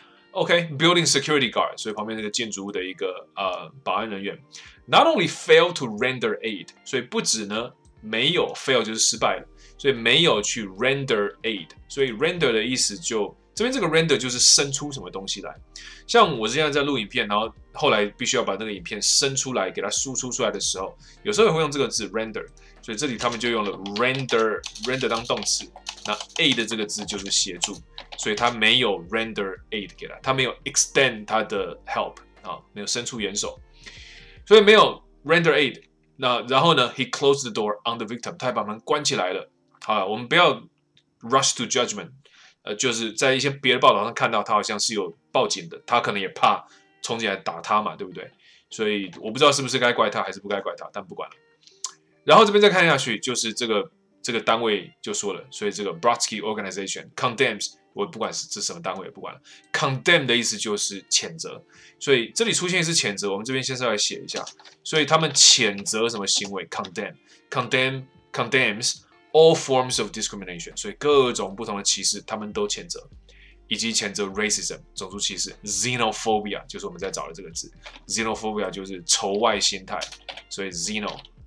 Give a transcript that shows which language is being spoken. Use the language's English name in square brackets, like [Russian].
[Chinese] OK， [English] building security guard， [Chinese] 所以旁边那个建筑物的一个保安人员 ， [English] not only failed to render aid， [Chinese] 所以不止呢没有 fail 就是失败了，所以没有去 render aid， 所以 render 的意思就这边这个 render 就是伸出什么东西来，像我现在在录影片，然后后来必须要把那个影片伸出来给它输出出来的时候，有时候也会用这个字 render。所以这里他们就用了 render 当动词，那 aid 这个字就是协助，所以他没有 render aid 给他，他没有 extend 他的 help 啊，没有伸出援手，所以没有 render aid。那然后呢 ， [English] he closed the door on the victim， [Chinese] 他还把门关起来了。好了，我们不要 [English] rush to judgment， [Chinese] 就是在一些别的报道上看到他好像是有报警的，他可能也怕冲进来打他嘛，对不对？所以我不知道是不是该怪他还是不该怪他，但不管了。然后这边再看下去，就是这个单位就说了，所以这个 Brodsky Organization condemns， 我不管是这什么单位也不管了 ，condemn 的意思就是谴责，所以这里出现的是谴责，我们这边先稍微写一下，所以他们谴责什么行为 ， [English] condemns all forms of discrimination， [Chinese] 所以各种不同的歧视他们都谴责，以及谴责 racism 种族歧视 ，xenophobia 就是我们在找的这个字 ，xenophobia 就是仇外心态，所以 xeno。